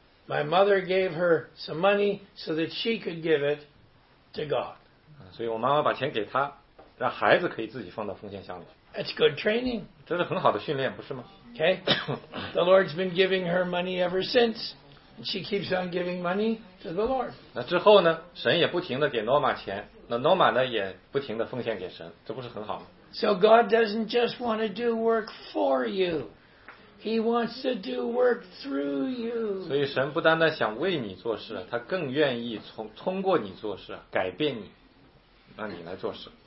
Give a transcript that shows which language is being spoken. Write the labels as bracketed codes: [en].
[en] My mother gave her some money so that she could give it to God. [zh] 所以我妈妈把钱给她, 让孩子可以自己放到奉献箱里。 [en] That's good training. [zh] 这是很好的训练, 不是吗? [en] Okay. The Lord's been giving her money ever since. And she keeps on giving money to the Lord. [zh] 那之后呢, 神也不停地给Norma钱, 那Norma呢也不停地奉献给神, 这不是很好吗? [en] So God doesn't just want to do work for you. He wants to do work through you. [zh] 所以神不单单想为你做事, 他更愿意通过你做事, 改变你, 让你来做事。